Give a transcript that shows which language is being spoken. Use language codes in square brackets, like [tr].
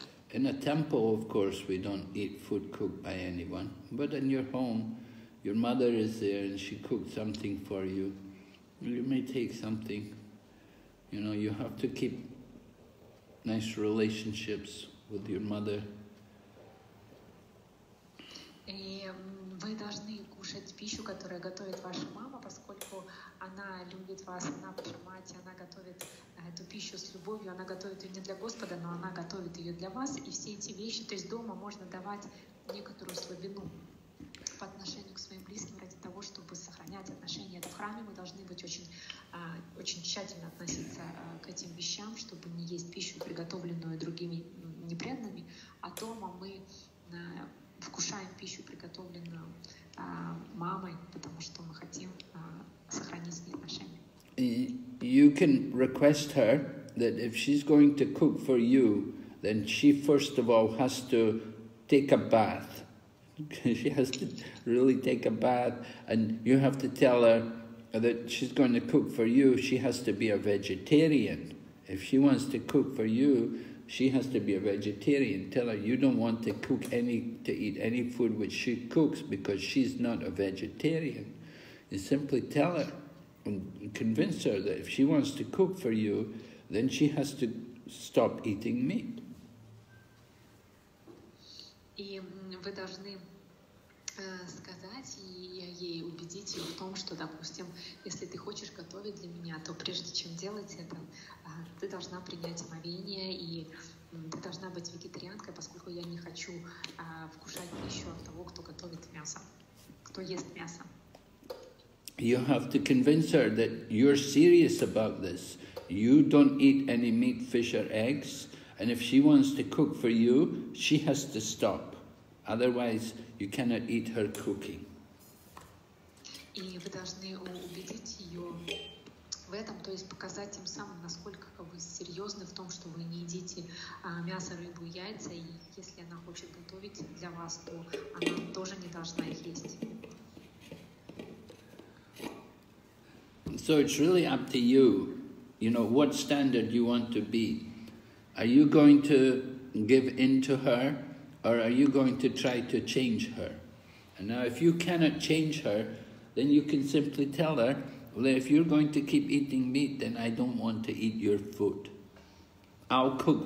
[en] In a temple, of course, we don't eat food cooked by anyone. But in your home, your mother is there and she cooked something for you. You may take something, you know, you have to keep nice relationships with your mother. [ru] И вы должны кушать пищу, которую готовит ваша мама, поскольку она любит вас, она ваша мать, она готовит эту пищу с любовью, она готовит ее не для Господа, но она готовит ее для вас, и все эти вещи, то есть дома можно давать некоторую слабину по отношению к своим близким ради того, чтобы сохранять отношения. В храме мы должны быть очень тщательно относиться к этим вещам, чтобы не есть пищу, приготовленную другими непреданными. А дома мы вкушаем пищу, приготовленную мамой, потому что мы хотим сохранить с ней отношения. [en] You can request her that if she's going to cook for you, then she first of all has to take a bath. She has to really take a bath, and you have to tell her that she's going to cook for you. She has to be a vegetarian. If she wants to cook for you, she has to be a vegetarian. Tell her you don't want to cook to eat any food which she cooks because she's not a vegetarian. You simply tell her and convince her that if she wants to cook for you, then she has to stop eating meat. [ru] И вы должны сказать ей, убедить ее в том, что, допустим, если ты хочешь готовить для меня, то прежде чем делать это, ты должна принять омовение, и ты должна быть вегетарианкой, поскольку я не хочу вкушать пищу от того, кто готовит мясо, кто ест мясо. [en] You have to convince her that you're serious about this. You don't eat any meat, fish or eggs. And if she wants to cook for you, she has to stop. Otherwise, you cannot eat her cooking. [ru] И вы должны убедить ее в этом, то есть показать тем самым, насколько вы серьезны в том, что вы не едите мясо, рыбу, яйца, и если она хочет готовить для вас, то она тоже не должна их есть. [en] So it's really up to you, you know, what standard you want to be. Are you going to give in to her, or are you going to try to change her? And now if you cannot change her, then you can simply tell her, well, if you're going to keep eating meat, then I don't want to eat your food. I'll cook.